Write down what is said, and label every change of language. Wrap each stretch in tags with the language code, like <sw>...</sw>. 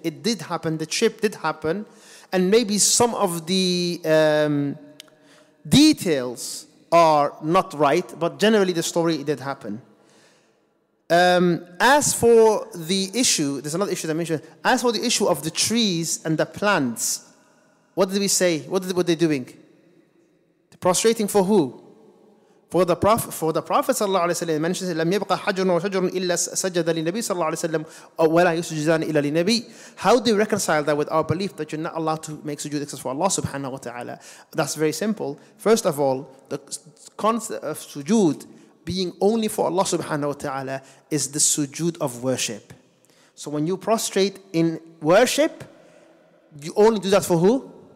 <en>It did happen, the trip did happen, and maybe some of the details are not right, but generally the story did happen. As for the issue, there's another issue that I mentioned, as for the issue of the trees and the plants, what did we say? What were they doing? Prostrating for who? For the Prophet. For the Prophet sallallahu alaihi wasallam mentions,</en> <ar>"لم يبقى حجر وشجر إلا سجد للنبي صلى الله عليه وسلم ولا يسجدان إلا للنبي."</ar> <en>How do you reconcile that with our belief that you're not allowed to make sujood except for Allah subhanahu wa taala? That's very simple. First of all, the concept of sujood being only for Allah subhanahu wa taala is the sujood of worship. So when you prostrate in worship, you only do that for who?</en>